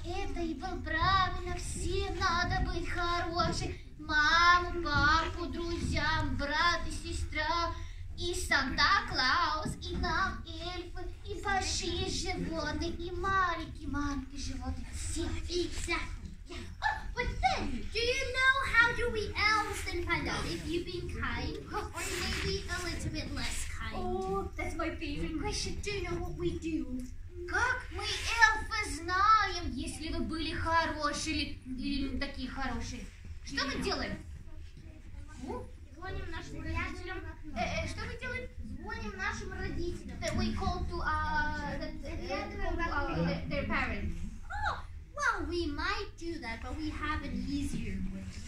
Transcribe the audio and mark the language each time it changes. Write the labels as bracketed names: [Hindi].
[Russian] Это и было правильно. Всем надо быть хорошим. Маму, папу, друзьям, брат и сестра. И Санта-Клаус, и нам эльфы, и большие животные, и маленькие, маленькие животные. [English] Exactly. Yeah. But then, do you know how do we elves then find out if you've been kind or maybe a little bit less kind? Oh, that's my favorite question. Do you know what we do? [Russian] Как мы эльфы знаем, если вы были хорошие или не такие хорошие? Что мы делаем? Звоним нашим родителям. Что мы делаем? Звоним нашим родителям. [English] That we call to their parents. Well, we might do that, but we have an easier way.